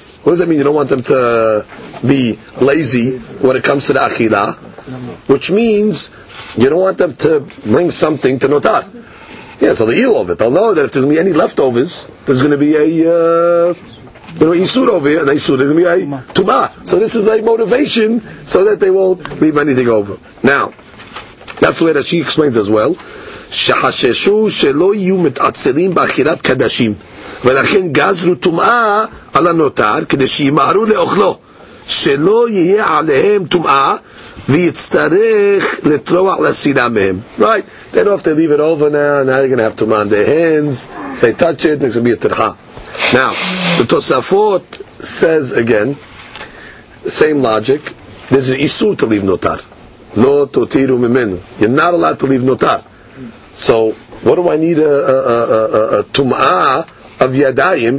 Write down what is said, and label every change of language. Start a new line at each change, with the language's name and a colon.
English: What does that mean? You don't want them to be lazy when it comes to the achila, which means you don't want them to bring something to notar. Yeah, so they'll eat of it. They'll know that if there's going to be any leftovers, there's going to be a isur over here, and isur is going to be a tuma. So this is a motivation so that they won't leave anything over. Now, that's the way that she explains as well.
Hebrew: שחששו שלא יהיו מתעצלים באכילת קדשים ולכן גזרו טומאה על הנותר כדי שימהרו לאוכלו שלא יהיה עליהם טומאה ויצטרך לתרוח לסינה מהם.
English: Right, they know if they leave it over now they're going to have טומאה on their hands. If they touch it, it's going to be a תרחה. Now, the Tosafot says again same logic, there's an איסור to leave נותר.
Hebrew: לא תותירו ממנו.
English: You're not allowed to leave נותר. So, what do I need a tum'ah of yadayim?